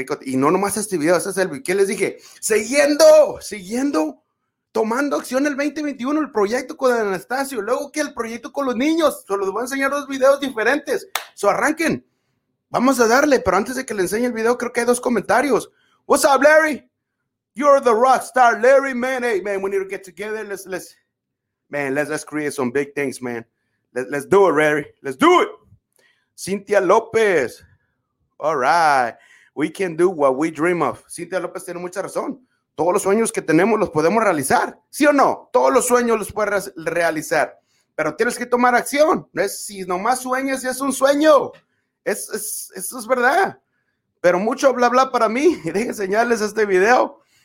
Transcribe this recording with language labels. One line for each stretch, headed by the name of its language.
Spanish: Y no nomás este video, ese es el que les dije, siguiendo tomando acción el 2021, el proyecto con Anastasio, luego que el proyecto con los niños, se los voy a enseñar dos videos diferentes. So arranquen. Vamos a darle, pero antes de que le enseñe el video, creo que hay dos comentarios.
English: What's up, Larry? You're the rock star, Larry, man. Hey, man, we need to get together. Let's create some big things, man. Let's do it, Larry. Let's do it. Cynthia Lopez. All right. We can do what we dream of.
Spanish: Cynthia Lopez tiene mucha razón. Todos los sueños que tenemos los podemos realizar. ¿Sí o no? Todos los sueños los puedes realizar. Pero tienes que tomar acción. No es si nomás sueñas y es un sueño. Eso es verdad, pero mucho bla bla para mí. Deje enseñarles este video.